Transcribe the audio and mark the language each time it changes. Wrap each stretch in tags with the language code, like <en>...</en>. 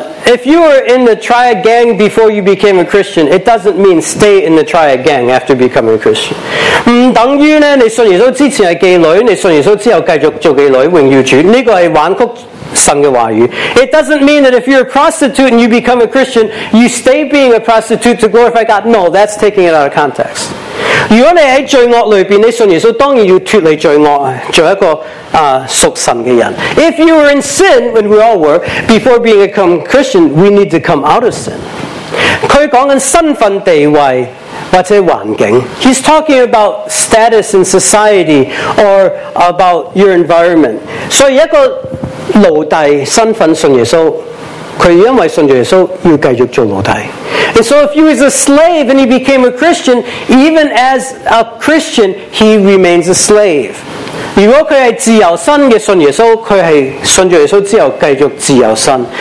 <en>If you were in the triad gang before you became a Christian, it doesn't mean stay in the triad gang after becoming a Christian.</en> <zh>不等于呢，你信耶稣之前是妓女，你信耶稣之后继续做妓女，荣耀主，这个是弯曲。</zh> <en>It doesn't mean that if you're a prostitute and you become a Christian, you stay being a prostitute to glorify God. No, that's taking it out of context.</en> <zh>如果你在罪恶里面，你信耶稣，当然要脱离罪恶，做一个属神的人。</zh> <en>If you were in sin, when we all were, before being a Christian, we need to come out of sin.</en> <zh>他讲的身份地位。</zh> <en>He's talking about status in society or about your environment.</en> <zh>So 一个奴隶信奉信耶稣，他因为信耶稣要继续做奴隶。</zh> <en>And so if he was a slave and he became a Christian, even as a Christian, he remains a slave.</en> <zh>如果他是自由身的信耶稣，他是信耶稣之后继续自由身。</zh>